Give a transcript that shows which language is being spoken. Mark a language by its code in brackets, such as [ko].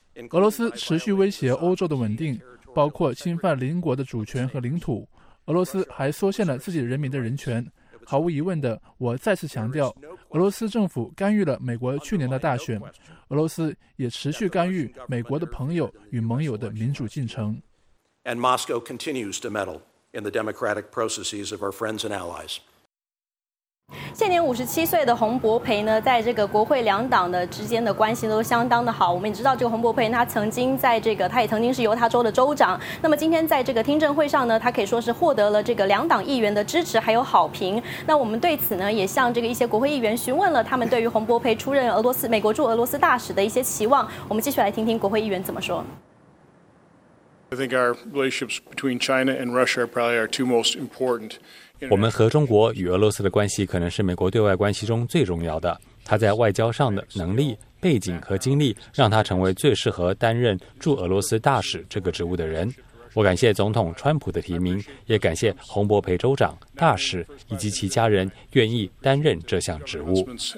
[zh] 俄罗斯持续威胁欧洲的稳定，包括侵犯邻国的主权和领土。俄罗斯还缩限了自己人民的人权。毫无疑问的，我再次强调，俄罗斯政府干预了美国去年的大选，俄罗斯也持续干预美国的朋友与盟友的民主进程。 [en] And Moscow continues to meddle in the democratic processes of our friends and allies. [zh] 现年57岁的洪博培呢，在这个国会两党的之间的关系都相当的好。我们也知道，这个洪博培他曾经在这个，他也曾经是犹他州的州长。那么今天在这个听证会上呢，他可以说是获得了这个两党议员的支持还有好评。那我们对此呢，也向这个一些国会议员询问了他们对于洪博培出任美国驻俄罗斯大使的一些期望。我们继续来听听国会议员怎么说。 [en] I think our relationships between China and Russia are probably our two most important. [zh] 我们和中国与俄罗斯的关系可能是美国对外关系中最重要的，他在外交上的能力、背景和经历让他成为最适合担任驻俄罗斯大使这个职务的人。我感谢总统川普的提名，也感谢洪博培州长、大使以及其家人愿意担任这项职务。